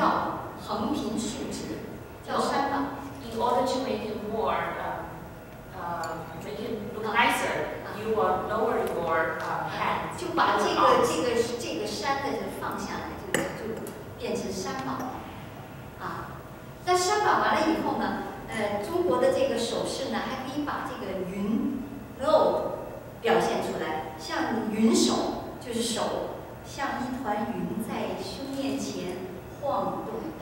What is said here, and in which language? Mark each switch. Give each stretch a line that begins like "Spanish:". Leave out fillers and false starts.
Chinese: 对，后来变慢，就是美化了以后叫山膀，就平掉了，横平竖直，叫山膀。
English: In order to make it more, make it look nicer, you will lower your head.
Chinese: 就把这个山的就放下来，就变成山膀了。啊，那山膀完了以后呢？中国的这个手势呢，还可以把这个云，表现出来，像云手，就是手像一团云在胸前晃动。